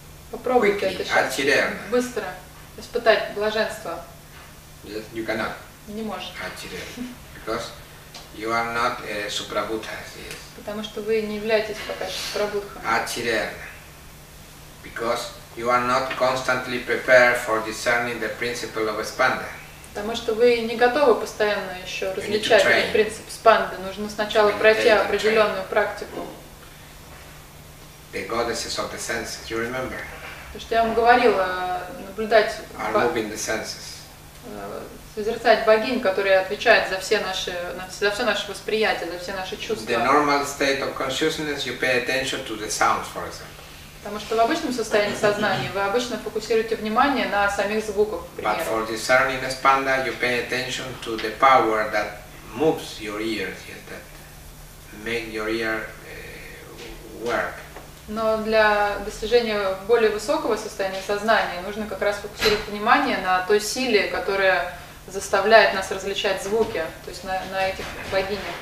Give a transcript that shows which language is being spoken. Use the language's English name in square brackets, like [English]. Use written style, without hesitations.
[Russian] Попробуйте это счастье. Быстро. Испытать блаженство. [English] Yes, you cannot. [Russian] Не можете. [English] Achirerna. Because you are not a suprabuddha. Yes. [Russian] Потому что вы не являетесь пока супрабудхой. [Sanskrit] Achirerna. [English] Because you are not constantly prepared for discerning the principle of spanda. [Russian] Потому что вы не готовы постоянно еще различать этот принцип спанды. Нужно сначала пройти определенную практику. [English] The goddesses of the senses, you remember? [Russian] То, что я вам говорила, наблюдать... [English] Are moving the senses. [Russian] Созерцать богинь, которая отвечает за все наши, за все наше восприятие, за все наши чувства. [English] The normal state of consciousness, you pay attention to the sounds, for example. [Russian] Потому что в обычном состоянии сознания вы обычно фокусируете внимание на самих звуках, к примеру. [English] But for discerning the spanda, you pay attention to the power that moves your ears, yes, that make your ear work. [Russian] Но для достижения более высокого состояния сознания нужно как раз фокусировать внимание на той силе, которая заставляет нас различать звуки, то есть на этих богинях.